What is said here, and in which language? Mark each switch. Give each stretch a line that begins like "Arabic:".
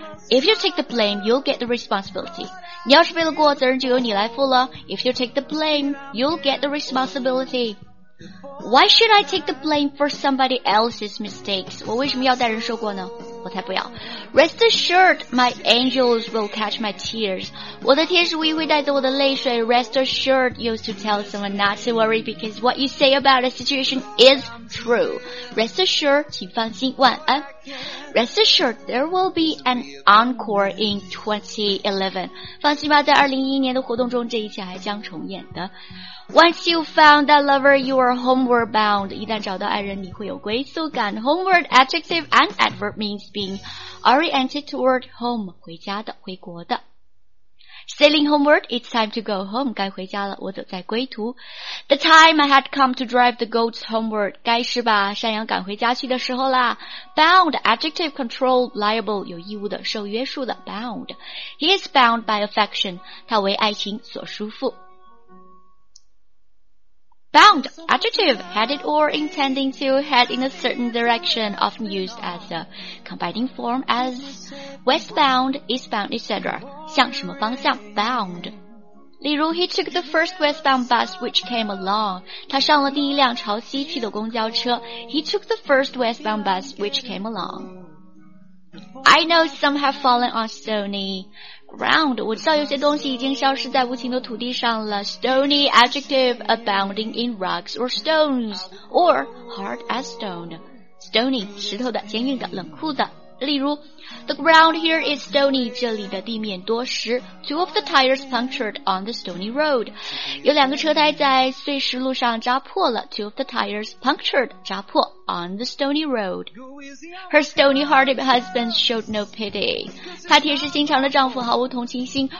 English: If you take the blame, you'll get the responsibility.
Chinese: 你要是背了锅，责任就由你来负了。
English: If you take the blame, you'll get the responsibility. Why should I take the blame for somebody else's mistakes?
Chinese: 我为什么要代人受过呢？我才不要。
English: Rest assured, my angels will catch my tears.
Chinese: 我的天使会带走我的泪水。
English: Rest assured used to tell someone not to worry because what you say about a situation is true. Rest assured,
Chinese: 请放心，晚安。
English: Rest assured, there will be an encore in 2011.
Chinese: 放心吧，在2011年的活动中，这一切还将重演的。
English: Once you found that lover, you are homeward bound.
Chinese: 一旦找到爱人，你会有归宿感。
English: Homeward adjective and adverb means being oriented toward home,
Chinese: 回家的，回国的。
English: Sailing homeward, it's time to go home.
Chinese: 该回家了，我走在归途。
English: The time I had come to drive the goats homeward.
Chinese: 该是把山羊赶回家去的时候啦。
English: Bound, adjective, controlled, liable,
Chinese: 有义务的，受约束的。
English: Bound. He is bound by affection.
Chinese: 他为爱情所束缚。
English: Bound, adjective, headed or intending to head in a certain direction, often used as a combining form as westbound, eastbound, etc.
Chinese: 向什么方向 bound. 例如
English: he took the first westbound bus which came along.
Chinese: 他上了第一辆朝西去的公交车
English: He took the first westbound bus which came along. I know some have fallen on stony. Ground,
Chinese: 我知道有些东西已经消失在无情的土地上了。
English: Stony adjective abounding in rocks or stones, or hard as stone.
Chinese: Stony, 石头的，坚硬的，冷酷的。例如
English: The ground here is stony,
Chinese: 这里的地面多石。
English: Two of the tires punctured on the stony road.
Chinese: 有两个车胎在碎石路上扎破了。
English: Two of the tires punctured,
Chinese: 扎破
English: on the stony road. Her stony hearted husband showed no pity.
Chinese: 她铁石心肠的丈夫毫无同情心。